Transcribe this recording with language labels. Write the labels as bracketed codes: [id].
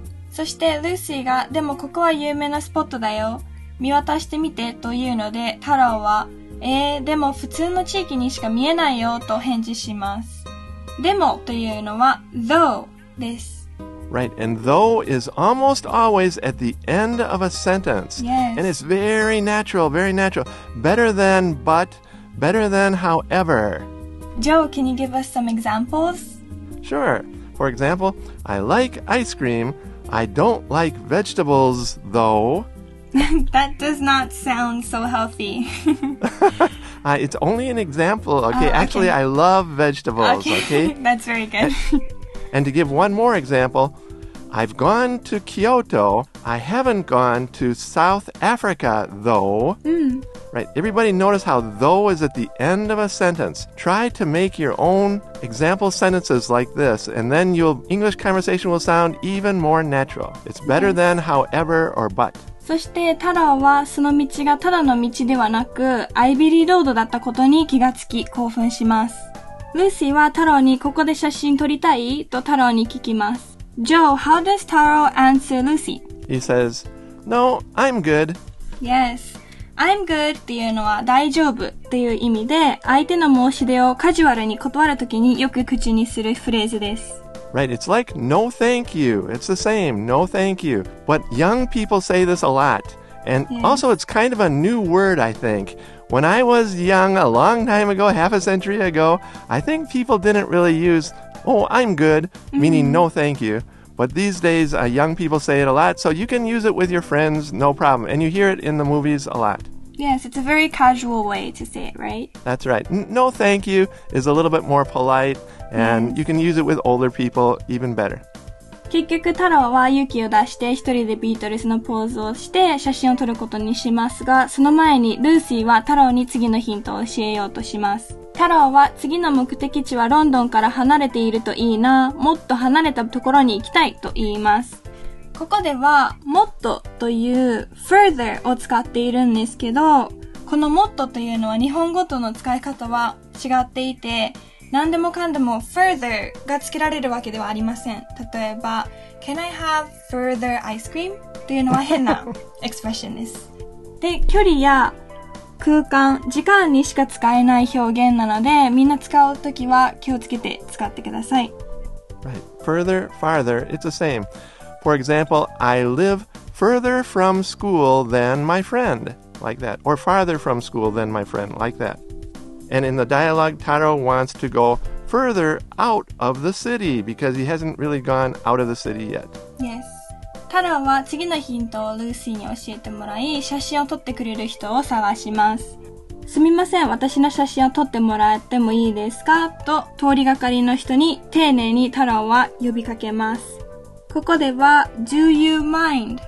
[ja] そして、ルーシーが、でもここは有名なスポットだよ。見渡してみてというので、タロウは、でも普通の地域にしか見えないよと返事します。でもというのは、though です。 [en] Right, and though is almost always at the end of a sentence. Yes. And it's very natural, very natural. Better than but, better than however. Joe, can you give us some examples? Sure. For example, I like ice cream. I don't like vegetables, though. That does not sound so healthy. it's only an example, okay? Oh, okay. Actually, I love vegetables, okay? That's very good. And to give one more example, I've gone to Kyoto. I haven't gone to South Africa, though. Mm. Right. Everybody notice how though is at the end of a sentence. Try to make your own example sentences like this, and then your English conversation will sound even more natural. It's better yes. than however or but. [ja] そしてタロウはその道がただの道ではなくアイビリーロードだったことに気がつき興奮します。ルーシーはタロウにここで写真撮りたい? とタロウに聞きます。 [en] Joe, how does Taro answer Lucy? He says, No, I'm good. Yes. I'm good [ja] っていうのは大丈夫という意味で、相手の申し出をカジュアルに断るときによく口にするフレーズです。 [en] Right, it's like, no thank you. It's the same, no thank you. But young people say this a lot. And yeah. also, it's kind of a new word, I think. When I was young, a long time ago, half a century ago, I think people didn't really use, oh, I'm good, meaning no thank you. But these days, young people say it a lot. So you can use it with your friends, no problem. And you hear it in the movies a lot. Yes, it's a very casual way to say it, right? That's right. No thank you is a little bit more polite. And you can use it with older people even better. [ja] 結局太郎は勇気を出して一人でビートルズのポーズをして写真を撮ることにしますが、その前にルーシーは太郎に次のヒントを教えようとします。太郎は次の目的地はロンドンから離れているといいな、もっと離れたところに行きたいと言います。ここではもっとという further を使っているんですけど、このもっとというのは日本語との使い方は違っていて、何でもかんでも further が付けられるわけではありません。例えば、 [en] Can I have further ice cream? [ja] というのは変な [en] expression [ja] です。で、距離や空間、時間にしか使えない表現なので、みんな使うときは気をつけて使ってください。 [en] Right. Further, farther, it's the same. For example, I live further from school than my friend, like that. Or farther from school than my friend, like that. And in the dialogue, Taro wants to go further out of the city because he hasn't really gone out of the city yet. Yes. [ja] Taro は次のヒントをルーシーに教えてもらい、写真を撮ってくれる人を探します。すみません、私の写真を撮ってもらってもいいですか? と通りがかりの人に丁寧にタロは呼びかけます。ここでは [en] Do you mind?